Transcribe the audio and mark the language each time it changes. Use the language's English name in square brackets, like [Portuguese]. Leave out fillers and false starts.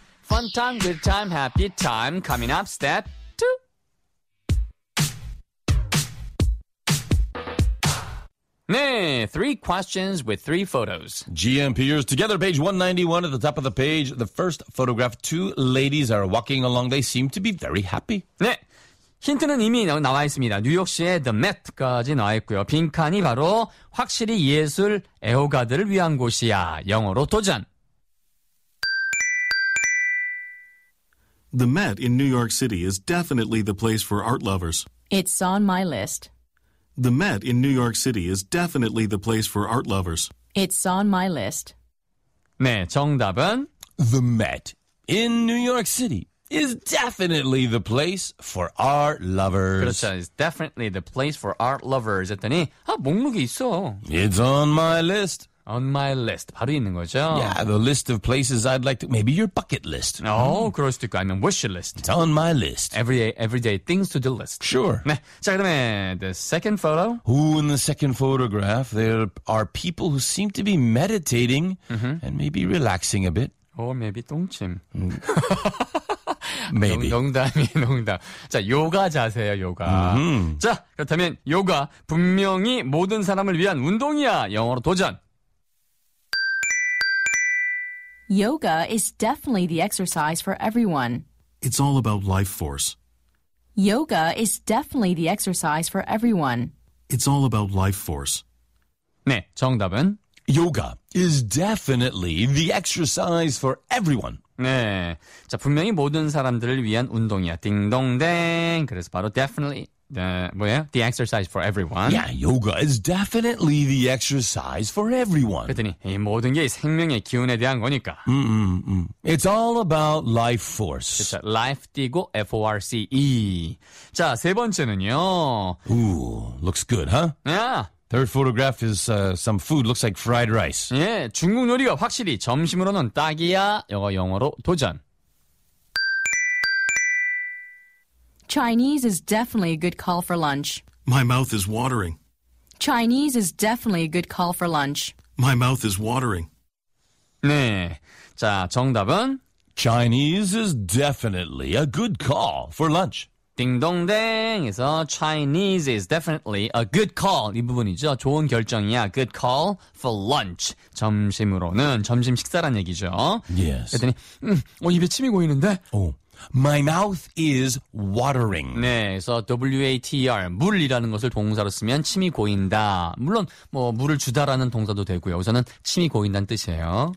[English] Fun time, good time, happy time. Coming up, step two. [Korean] 네, [English] three questions with three photos. GMPers together, page 191 at the top of the page. The first photograph, two ladies are walking along. They seem to be very happy. [Korean] 네, 힌트는 이미 나와 있습니다. 뉴욕시의 The Met까지 나와 있고요. 빈칸이 바로 확실히 예술 애호가들을 위한 곳이야. 영어로 도전. [English] The Met in New York City is definitely the place for art lovers. It's on my list. The Met in New York City is definitely the place for art lovers. It's on my list. [Korean] 네, 정답은? [English] The Met in New York City is definitely the place for art lovers. [Korean] 그렇죠, [English] it's definitely the place for art lovers. [Korean] 했더니, 아, 목록이 있어. [English] It's on my list. On my list. [Korean] 바로 있는 거죠? [English] Yeah, the list of places I'd like to... Maybe your bucket list. Oh, [Korean] 그럴 수도 있고. [English] I mean, wish list. It's on my list. Everyday things to do list. Sure. [Korean] 네. 자, 그러면 [English] the second photo. Who in the second photograph? There are people who seem to be meditating and maybe relaxing a bit. Or maybe 똥침. Maybe. [Korean] 농담이에요. 자, 요가 자세예요, 요가. Mm-hmm. 자, 그렇다면 요가 분명히 모든 사람을 위한 운동이야. 영어로 도전. [English] Yoga is definitely the exercise for everyone. It's all about life force. Yoga is definitely the exercise for everyone. It's all about life force. [Korean] 네, 정답은? [English] yoga is definitely the exercise for everyone. [Korean] 네. 자, 분명히 모든 사람들을 위한 운동이야. 딩동댕. 그래서 바로 definitely. [English] The exercise for everyone. Yeah, yoga is definitely the exercise for everyone. [Korean] 그랬더니 이 모든 게 생명의 기운에 대한 거니까. [English] It's all about life force. [Korean] 그쵸? Life 띄고 F-O-R-C-E. 자, 세 번째는요. [English] Ooh, looks good, huh? Yeah. Third photograph is some food. Looks like fried rice. [Korean] 예, 중국 요리가 확실히 점심으로는 딱이야. 이거 영어로 도전. [English] Chinese is definitely a good call for lunch. My mouth is watering. Chinese is definitely a good call for lunch. My mouth is watering. [Korean] 네, 자, 정답은? [English] Chinese is definitely a good call for lunch. [Korean] 딩동댕에서 [English] Chinese is definitely a good call. [Korean] 이 부분이죠. 좋은 결정이야. [English] Good call for lunch. [Korean] 점심으로는 점심 식사란 얘기죠. [English] Yes. [Korean] 그랬더니, 입에 침이 고이는데? [English] Oh. My mouth is watering. [Korean] 네, 그래서 W-A-T-E-R, 물이라는 것을 동사로 쓰면 침이 고인다. 물론 뭐 물을 주다라는 동사도 되고요. 여기서는 침이 고인다는 뜻이에요.